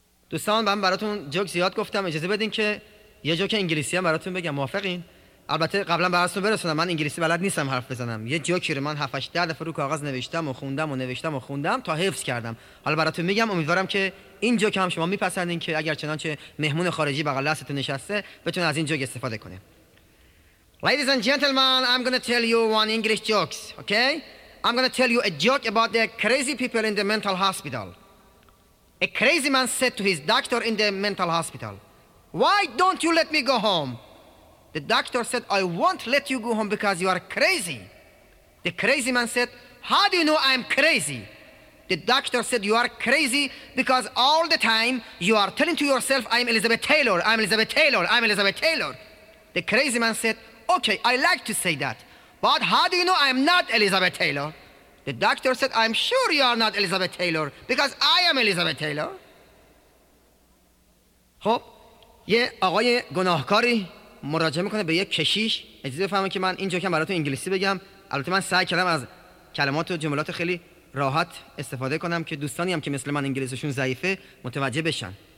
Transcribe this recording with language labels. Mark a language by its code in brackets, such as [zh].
[fa] دوستان من براتون جوک زیاد گفتم، اجازه بدین که یه جوک انگلیسی هم براتون بگم، موافقین؟ البته قبلا براتون برسونم، من انگلیسی بلد نیستم حرف بزنم، یه جوکی رو من 7-8 دفعه رو کاغذ نوشتم و خوندم و نوشتم و خوندم تا حفظ کردم، حالا براتون میگم، امیدوارم که این جوک هم شما میپسندین، که اگر چنانچه مهمون خارجی بغل دستتون نشسته بتونه از این جوک استفاده کنه. [en] Ladies and gentlemen, I'm going to tell you one English jokes, okay? I'm going to tell you a joke about the crazy people in the mental hospital. A crazy man said to his doctor in the mental hospital, "Why don't you let me go home?" The doctor said, "I won't let you go home because you are crazy." The crazy man said, "How do you know I'm crazy?" The doctor said, "You are crazy because all the time you are telling to yourself, 'I'm Elizabeth Taylor, I'm Elizabeth Taylor, I'm Elizabeth Taylor.'" The crazy man said, "Okay, I like to say that, but how do you know I'm not Elizabeth Taylor?" The doctor said, "I'm sure you are not Elizabeth Taylor because I am Elizabeth Taylor." [fa] خب یه آقای گناهکاری مراجعه میکنه به یه کشیش. اجازه بفهمه که من این جوکم براتون انگلیسی بگم، البته من سعی کردم از کلمات و جملات خیلی راحت استفاده کنم که دوستانی هم که مثل من انگلیسیشون ضعیفه متوجه بشن.